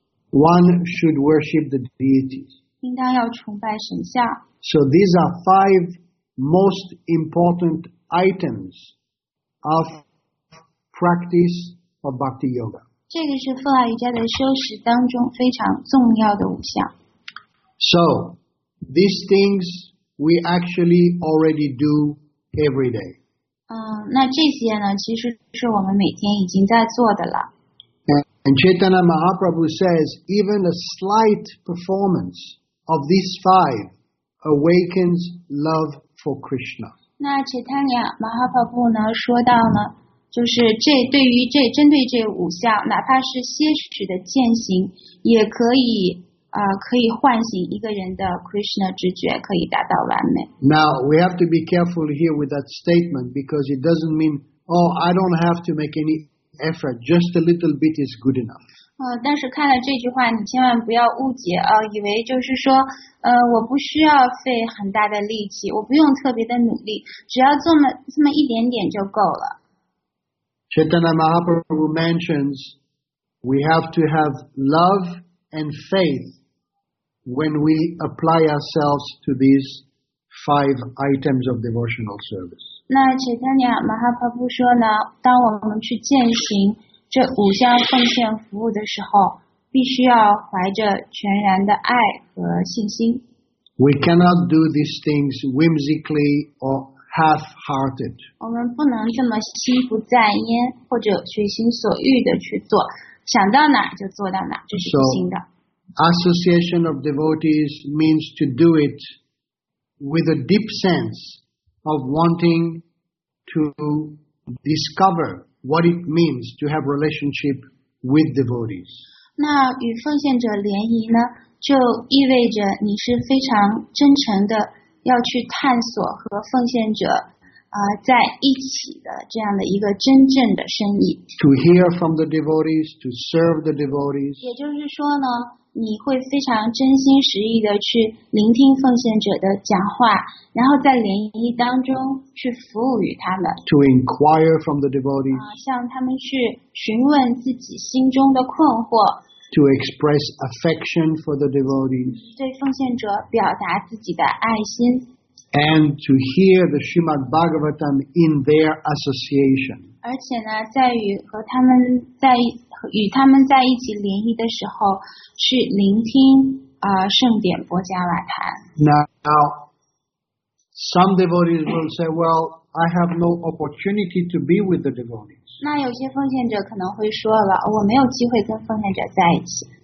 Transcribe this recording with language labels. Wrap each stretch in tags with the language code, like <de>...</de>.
<en>One should worship the deities.</en> <zh>应当要崇拜神像。</zh> <en>So these are five most important items of practice of Bhakti Yoga.</en> <zh>这个是奉爱瑜伽的修持当中非常重要的五项。</zh> <en>So these things we actually already do every day.</en> <zh>那这些呢，其实是我们每天已经在做的了。</zh> <en>And Chaitanya Mahaprabhu says, even a slight performance of these five awakens love for Krishna.</en> <zh>那 Chaitanya Mahaprabhu 呢说到呢，就是这对于这针对这五项，哪怕是些许的践行，也可以可以唤醒一个人的 Krishna 直觉，可以达到完美。</zh> <en>Now we have to be careful here with that statement because it doesn't mean, oh, I don't have to make any. Effort just a little bit is good enough.</en> <zh>但是看了这句话，你千万不要误解啊，以为就是说，我不需要费很大的力气，我不用特别的努力，只要这么一点点就够了。</zh> <en>Chaitanya Mahaprabhu mentions we have to have love and faith when we apply ourselves to these five items of devotional service.</en> <zh>那 Chaitanya Mahaprabhu 说呢，当我们去践行这五项奉献服务的时候，必须要怀着全然的爱和信心。</zh> <en>We cannot do these things whimsically or half-hearted.</en> <zh>我们不能这么心不在焉或者随心所欲的去做，想到哪就做到哪，这是不行的。</zh> <en>So, Association of devotees means to do it with a deep sense of wanting to discover what it means to have relationship with devotees.</en> <zh>那与奉献者联谊呢，就意味着你是非常真诚的要去探索和奉献者在一起的这样的一个真正的深意。</zh> <en>To hear from the devotees, to serve the devotees.</en> <zh>也就是说呢，你会非常真心实意的去聆听奉献者的讲话，然后在联谊当中去服务于他们。</zh> <en>To inquire from the devotees.</en> <zh>向他们去询问自己心中的困惑。</zh> <en>To express affection for the devotees.</en> <zh>对奉献者表达自己的爱心。</zh> <en>And to hear the Srimad Bhagavatam in their association.</en> <zh>而且呢，在与和他们在与他们在一起联谊的时候，去聆听圣典波迦瓦坛。</zh> <en>Now, some devotees will say, "Well, I have no opportunity to be with the devotees."</en> <zh>那有些奉献者可能会说了，我没有机会跟奉献者在一起。</zh>